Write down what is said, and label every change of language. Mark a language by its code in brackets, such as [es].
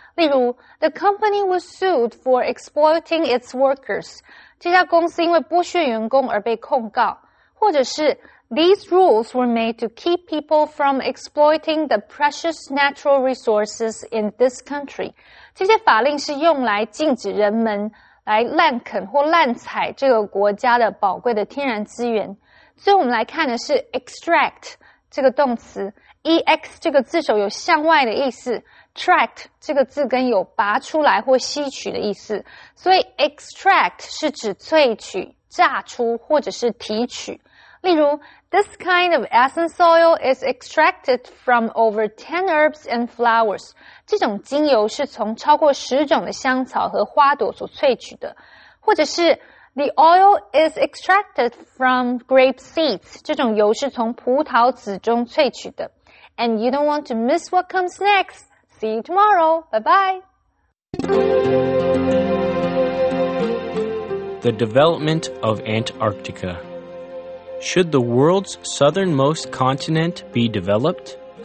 [zh] 例如 [en] ,the company was sued for exploiting its workers. [zh] 这家公司因为剥削员工而被控告。或者是 [en] ,these rules were made to keep people from exploiting the precious natural resources in this country. [zh] 这些法令是用来禁止人们来滥垦或滥采这个国家的宝贵的天然资源。最后我们来看的是 extract 这个动词 ,ex 这个字首有向外的意思 ,tract 这个字根有拔出来或吸取的意思。所以 extract 是指萃取、榨出或者是提取。例如 [en] ,this kind of essence oil is extracted from over 10 herbs and flowers. [zh] 这种精油是从超过十种的香草和花朵所萃取的。或者是 [en] ,the oil is extracted from grape seeds. [zh] 这种油是从葡萄籽中萃取的。 [en] And you don't want to miss what comes next. See you tomorrow. Bye-bye. The development of Antarctica. Should the world's southernmost continent be developed?